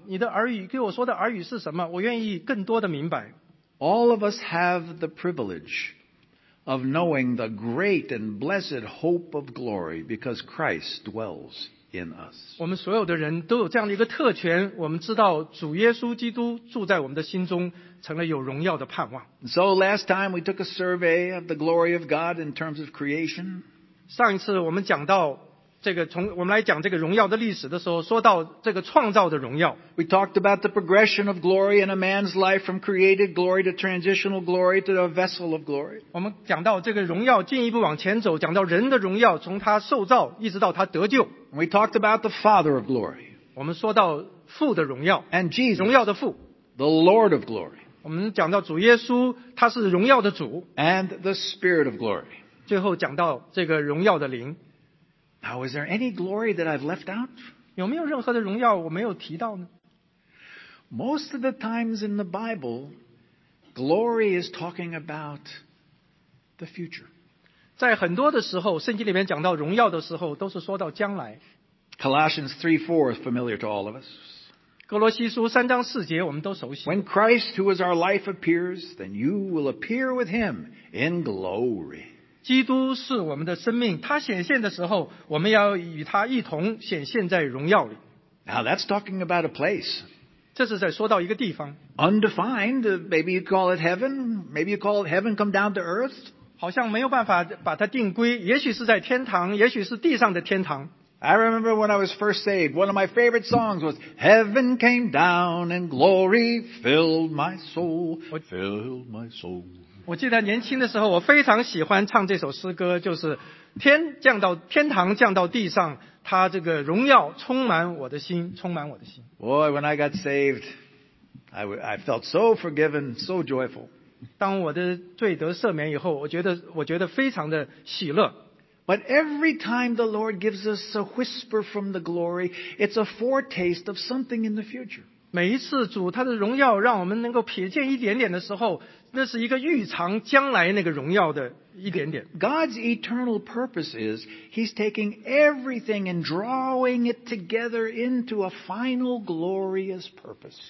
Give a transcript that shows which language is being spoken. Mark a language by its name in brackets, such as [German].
[Chinese] 你的耳语，给我说的耳语是什么？我愿意更多的明白。 [English] All of us have the privilege. Of knowing the great and blessed hope of glory because Christ dwells in us. [Chinese] 我们所有的人都有这样的一个特权，我们知道主耶稣基督住在我们的心中，成了有荣耀的盼望。 [English] So last time we took a survey of the glory of God in terms of creation. [Chinese] 上一次我们讲到这个，从我们来讲这个荣耀的历史的时候，说到这个创造的荣耀。 [English] We talked about the progression of glory in a man's life from created glory to transitional glory to a vessel of glory. [Chinese] 我们讲到这个荣耀进一步往前走，讲到人的荣耀从他受造一直到他得救。 [English] We talked about the Father of glory. [Chinese] 我们说到父的荣耀。 [English] And Jesus, [Chinese] 荣耀的父。 [English] The Lord of glory. [Chinese] 我们讲到主耶稣，他是荣耀的主。 [English] And the Spirit of glory. [Chinese] 最后讲到这个荣耀的灵。 [English] Now, is there any glory that I've left out? [Chinese] 有没有任何的荣耀我没有提到呢？ [English] Most of the times in the Bible, glory is talking about the future. [Chinese] 在很多的时候，圣经里面讲到荣耀的时候，都是说到将来。 [English] Colossians 3:4 is familiar to all of us. [Chinese] 哥罗西书三章四节我们都熟悉。 [English] When Christ, who is our life, appears, then you will appear with him in glory. [Chinese] 基督是我们的生命，他显现的时候，我们要与他一同显现在荣耀里。 [English] Now that's talking about a place. [Chinese] 这是在说到一个地方。 [English] Undefined, maybe you call it heaven, maybe you call it heaven come down to earth. [Chinese] 好像没有办法把它定规，也许是在天堂，也许是地上的天堂。 [English] I remember when I was first saved, one of my favorite songs was Heaven came down and glory filled my soul, filled my soul. [Chinese] 我记得年轻的时候我非常喜欢唱这首诗歌，就是天堂降到地上，他这个荣耀充满我的心，充满我的心。 [English] Boy, when I got saved, I felt so forgiven, so joyful. [Chinese] 当我的罪得赦免以后，我觉得非常的喜乐。 [English] But every time the Lord gives us a whisper from the glory, it's a foretaste of something in the future. [Chinese] 每一次主他的荣耀让我们能够瞥见一点点的时候，那是一个预尝将来那个荣耀的一点点。 [English] God's eternal purpose is He's taking everything and drawing it together into a final glorious purpose.